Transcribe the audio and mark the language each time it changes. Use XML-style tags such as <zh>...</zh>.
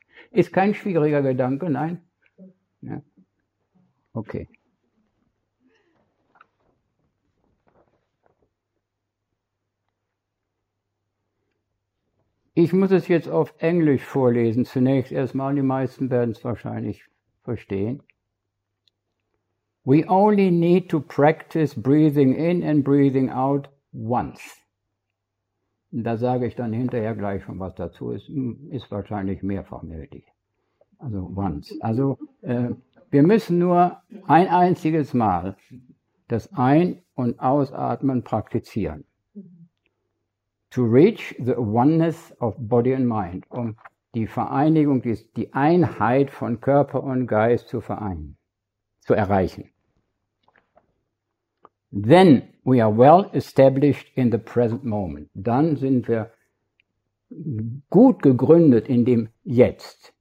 <de>Ist kein schwieriger Gedanke, nein? Ja? Okay. Ich muss es jetzt auf Englisch vorlesen, zunächst erstmal, die meisten werden es wahrscheinlich verstehen.</de> <en>We only need to practice breathing in and breathing out once.</en> <de>Da sage ich dann hinterher gleich schon was dazu, ist wahrscheinlich mehrfach nötig. Also once. Also wir müssen nur ein einziges Mal das Ein- und Ausatmen praktizieren.</de> <en>To reach the oneness of body and mind,</en> <de>um die Vereinigung, die Einheit von Körper und Geist zu vereinen, zu erreichen.</de> <en>Then we are well established in the present moment.</en> <de>Dann sind wir gut gegründet in dem Jetzt.</de>